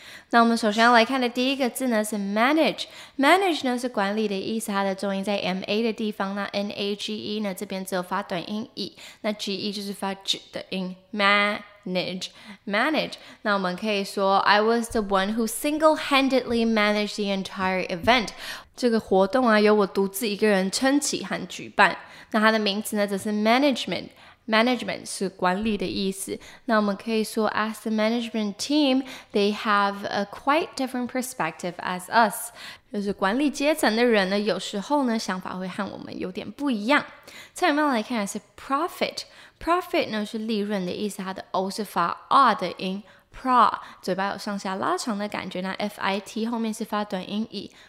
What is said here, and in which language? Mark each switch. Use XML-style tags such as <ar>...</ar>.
<zh>那我们首先要来看的第一个字呢是 manage。Manage 呢是管理的意思，它的重音在 MA 的地方，那 NAGE 呢这边只有发短音 E， 那 GE 就是发 G 的音 manage, manage. 那我们可以说</zh> <en>I was the one who single-handedly managed the entire event.</en> <zh>这个活动啊由我独自一个人撑起和举办。那它的名词呢则是 managementManagement 是管理的意思。那我们可以说</zh> <en>as the management team, they have a quite different perspective as us.</en> <zh>就是管理阶层的人呢有时候呢想法会和我们有点不一样。再慢慢来看是 profit。Profit 呢是利润的意思，它的 O 是发 R 的音 ,pro, 嘴巴有上下拉长的感觉，那 FIT 后面是发短音 E。</zh>